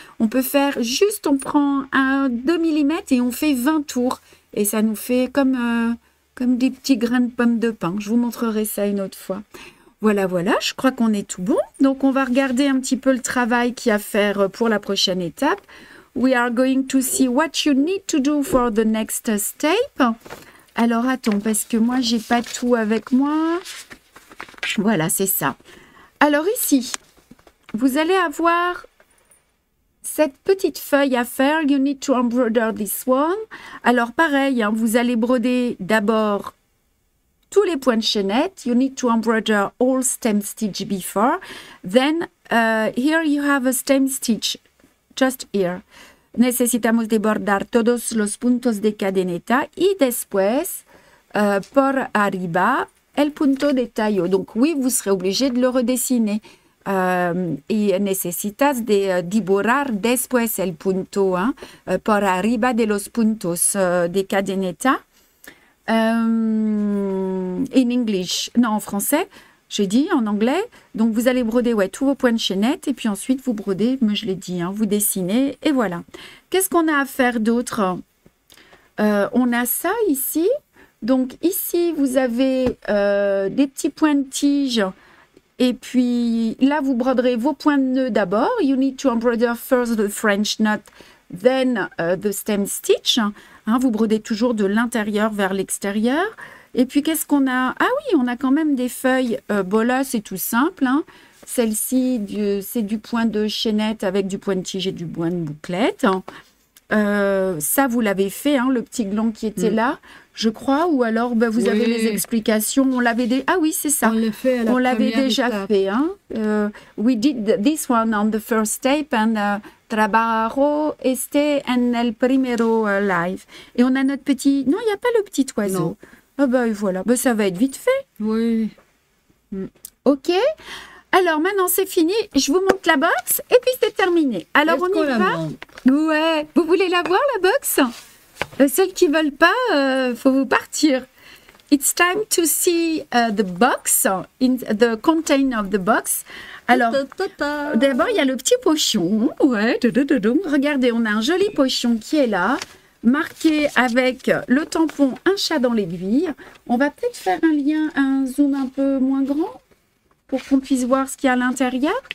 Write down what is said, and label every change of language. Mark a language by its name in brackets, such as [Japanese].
[French] On peut faire juste, on prend un 2 mm et on fait 20 tours. Et ça nous fait comme des petits grains de pommes de pin. Je vous montrerai ça une autre fois. Voilà, je crois qu'on est tout bon. Donc, on va regarder un petit peu le travail qu'il y a à faire pour la prochaine étape. [English] We are going to see what you need to do for the next step. [French] Alors, attends, parce que moi, j'ai pas tout avec moi. Voilà, c'est ça. Alors, ici, vous allez avoir cette petite feuille à faire. [English] You need to embroider this one. [French] Alors, pareil, hein, vous allez broder d'abord tous les points de chaînette. [English] You need to embroider all stem stitch before. Then, here you have a stem stitch. Just here. [Spanish] Necesitamos desbordar todos los puntos de cadeneta y después por arriba el punto de tallo. [French] Donc, oui, vous serez obligé de le redessiner. [Spanish] y necesitas de dibujar después el punto, hein, por arriba de los puntos de cadeneta. [English] In English, [French] non, en français, j'ai dit en anglais. Donc vous allez broder, ouais, tous vos points de chaînette et puis ensuite vous brodez, mais je l'ai dit, hein, vous dessinez et voilà. Qu'est-ce qu'on a à faire d'autre? On a ça ici. Donc ici, vous avez des petits points de tige. Et puis là, vous broderez vos points de nœuds d'abord. [English] You need to embroider first the French knot, then the stem stitch. [French] Hein, vous brodez toujours de l'intérieur vers l'extérieur. Et puis, qu'est-ce qu'on a? Ah oui, on a quand même des feuilles bolas, c'est tout simple. Hein. Celle-ci, c'est du point de chaînette avec du point de tige et du point de bouclette. Hein. Ça, vous l'avez fait, hein, le petit gland qui était là, je crois. Ou alors, ben, vous avez les explications. On l'avait ah oui, c'est ça. On l'a fait à la première étape. Fait. [English] Hein. We did this one on the first step and [Spanish] trabajo este en el primero [English] live. [French] Et on a notre petit... Non, il n'y a pas le petit oiseau. Non. Ah ben voilà, ben, ça va être vite fait. Oui. OK. Alors, maintenant, c'est fini. Je vous montre la box et puis c'est terminé. Alors, est-ce on y va? Ouais. Vous voulez la voir, la box? Celles qui ne veulent pas, faut vous partir. [English] It's time to see the box, in the container of the box. [French] Alors, d'abord, il y a le petit pochon. Ouais. Regardez, on a un joli pochon qui est là, marqué avec le tampon « Un chat dans l'aiguille ». On va peut-être faire un lien, un zoom un peu moins grand pour qu'on puisse voir ce qu'il y a à l'intérieur.